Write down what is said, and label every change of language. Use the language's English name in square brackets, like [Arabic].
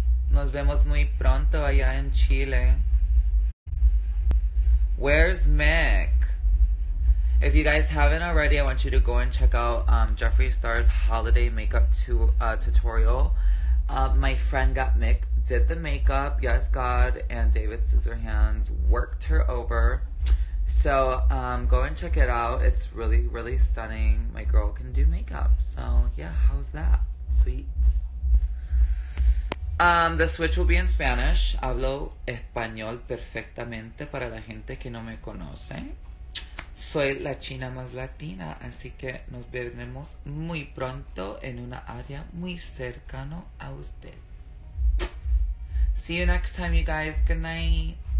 [Spanish] Nos vemos muy pronto allá en Chile. [English] Where's Mick? If you guys haven't already, I want you to go and check out Jeffree Star's holiday makeup tutorial. My friend got Mick, did the makeup. Yes, God, and David Scissorhands worked her over. So go and check it out. It's really, really stunning. My girl can do makeup. So yeah, how's that? Sweet. The switch will be in Spanish. [Spanish] Hablo español perfectamente para la gente que no me conoce. Soy la china más latina, así que nos veremos muy pronto en una área muy cercano a usted. [English] See you next time, you guys. Good night.